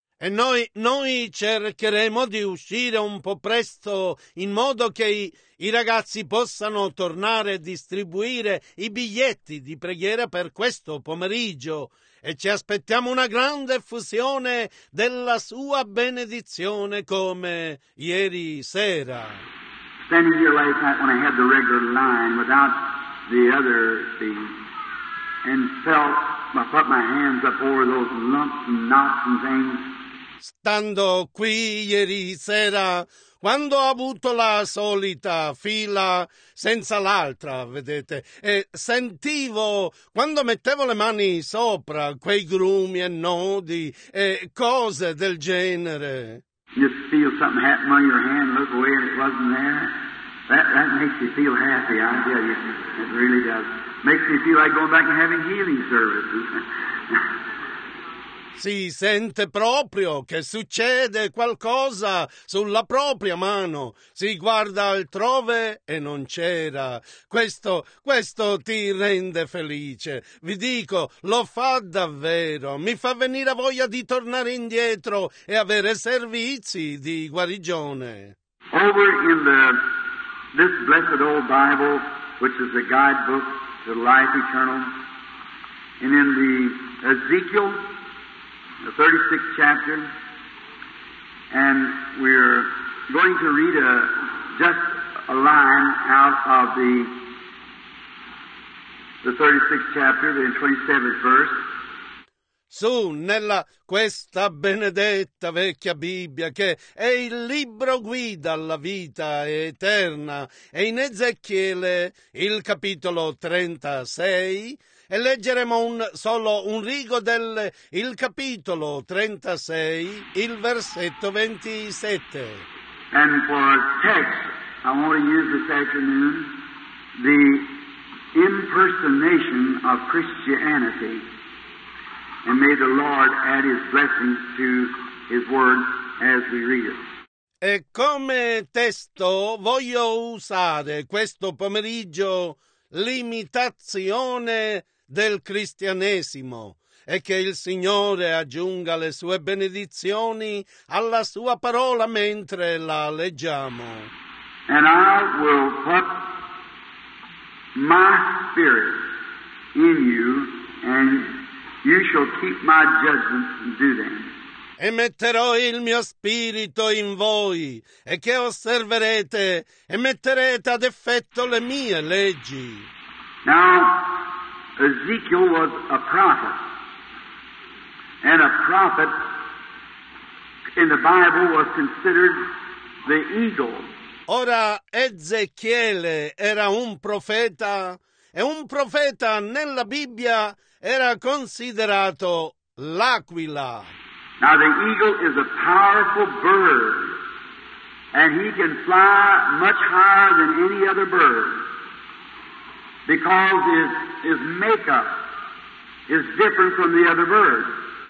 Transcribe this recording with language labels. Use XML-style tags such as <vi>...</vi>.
<it>E noi cercheremo di uscire un po' presto in modo che i ragazzi possano tornare a distribuire i biglietti di preghiera per questo pomeriggio. E ci aspettiamo una grande effusione della sua benedizione come ieri sera.</it> <en>Standing here last night when I had the regular line without the other thing and felt, I put my hands up over those lumps and knots and things.</en> <it>Stando qui ieri sera, quando ho avuto la solita fila senza l'altra, vedete, e sentivo, quando mettevo le mani sopra, quei grumi e nodi e cose del genere.</it> <en>You feel something happen on your hand, look away and it wasn't there. That makes you feel happy, I tell you. It really does. Makes me feel like going back and having healing services.</en> <it>Si sente proprio che succede qualcosa sulla propria mano. Si guarda altrove e non c'era. Questo ti rende felice. Vi dico, lo fa davvero. Mi fa venire voglia di tornare indietro e avere servizi di guarigione.</it> <en>Over in this blessed old Bible, which is a guidebook to life eternal, and in the Ezekiel, the 36th chapter, and we're going to read just a line out of the 36th chapter, the 27th verse.</en> <it>Su, nella questa benedetta vecchia Bibbia, che è il libro guida alla vita eterna, e in Ezechiele, il capitolo 36, e leggeremo solo un rigo del il capitolo 36, il versetto 27.</it> <en>And for text, I want to use this afternoon the impersonation of Christianity. And may the Lord add his blessings to his word as we read it.</en> <it>E come testo voglio usare questo pomeriggio l'imitazione del cristianesimo. e che il Signore aggiunga le sue benedizioni alla sua parola mentre la leggiamo.</it> <en>And I will put my spirit in you, and you shall keep my judgments and do them.</en> <it>E metterò il mio spirito in voi, e che osserverete, e metterete ad effetto le mie leggi.</it> <en>Now, Ezekiel was a prophet, and a prophet in the Bible was considered the eagle.</en> <it>Ora, Ezechiele era un profeta, e un profeta nella Bibbia era considerato l'aquila.</it> <en>Now the eagle is a powerful bird, and he can fly much higher than any other bird, because his makeup is different from the other birds.</en>